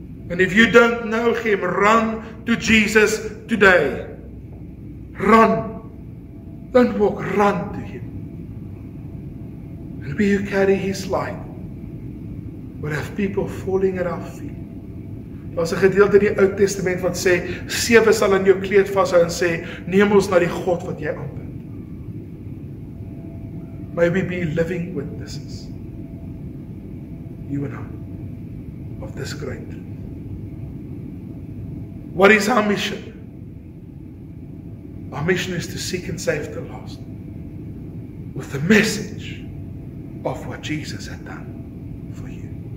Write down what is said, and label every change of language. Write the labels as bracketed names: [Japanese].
[English] And if you don't know him, run to Jesus today. Run. Don't walk, run to him. And we who carry his light will have people falling at our feet. [Afrikaans] Daar's 'n gedeelte in die Ou Testament wat sê, sewe sal in jou kleed vashou en sê, neem ons na die God wat jy aanbid. [English] May we be living witnesses, you and I, of this great truth. What is our mission? Our mission is to seek and save the lost with the message of what Jesus had done for you.